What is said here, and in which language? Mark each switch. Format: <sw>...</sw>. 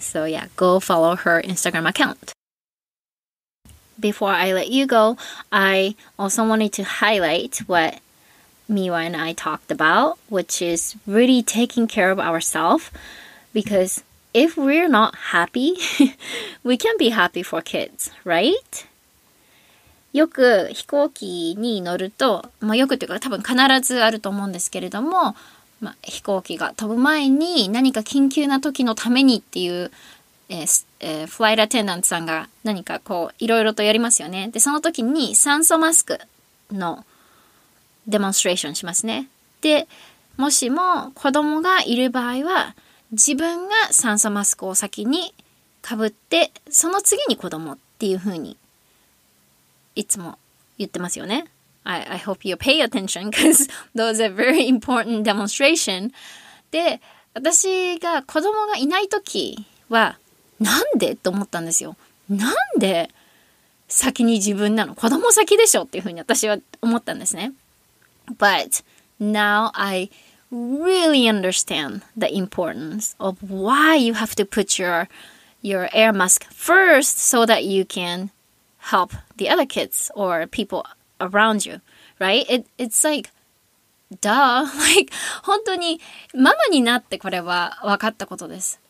<en>So yeah, go follow her Instagram account. Before I let you go, I also wanted to highlight what Miwa and I talked about, which is really taking care of ourselves. Because if we're not happy, we can't be happy for kids, right?</en> <ja>よく飛行機に乗ると、まあ、よくというか多分必ずあると思うんですけれども、まあ、飛行機が飛ぶ前に何か緊急な時のためにっていう、フライトアテンダントさんが何かこういろいろとやりますよね。で、その時に酸素マスクのデモンストレーションしますね。で、もしも子供がいる場合は自分が酸素マスクを先にかぶってその次に子供っていう風にいつも言ってますよね。</ja> <en>I hope you pay attention because those are very important demonstration.</en> <ja>で、私が子供がいない時はなんでと思ったんですよ。なんで先に自分なの？子供先でしょっていう風に私は思ったんですね。</ja> <en>But now I really understand the importance of why you have to put your air mask first so that you can help the other kids or people around you, right? It's like, duh. Like,</en> <ja>本当にママになってこれは分かったことです。</ja>